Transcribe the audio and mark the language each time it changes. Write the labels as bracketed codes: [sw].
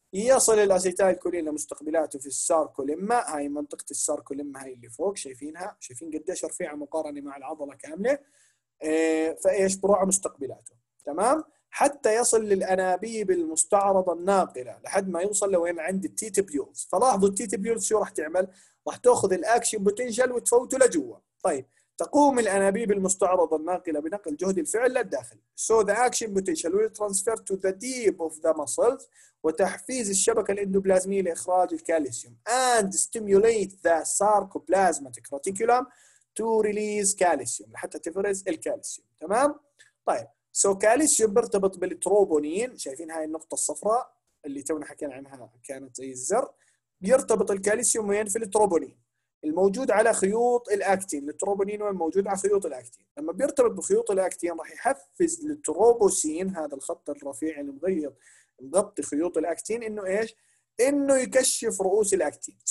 [ar] يصل الأسيتايلكولين لمستقبلاته في الساركولمة، هاي منطقة الساركولمة هاي اللي فوق شايفينها، شايفين قديش رفيعة مقارنة مع العضلة كاملة. فإيش بروح مستقبلاته تمام، حتى يصل للأنابيب المستعرضة الناقلة لحد ما يوصل لوين عند التي تبيولز. فلاحظوا التي تبيولز شو راح تعمل، راح تأخذ الأكشن بوتنشال وتفوته لجوه. طيب تقوم الأنابيب المستعرضة الناقلة بنقل جهد الفعل للداخل، [en] so the action potential will transfer to the deep of the muscles [ar] وتحفيز الشبكة الإندوبلازمية لإخراج الكالسيوم [en] and stimulate the sarcoplasmic reticulum to release calcium [ar] حتى تفرز الكالسيوم تمام. طيب [en] so calcium [ar] برتبط بالتروبونين، شايفين هاي النقطة الصفراء اللي تونا حكينا عنها كانت زي الزر، بيرتبط الكالسيوم وين في التروبونين الموجود على خيوط الأكتين، التروبونين الموجود على خيوط الأكتين. لما بيرتبط بخيوط الأكتين راح يحفز التروبوسين، هذا الخط الرفيع اللي مغيط مغطي خيوط الأكتين، إنه إيش؟ إنه يكشف رؤوس الأكتين.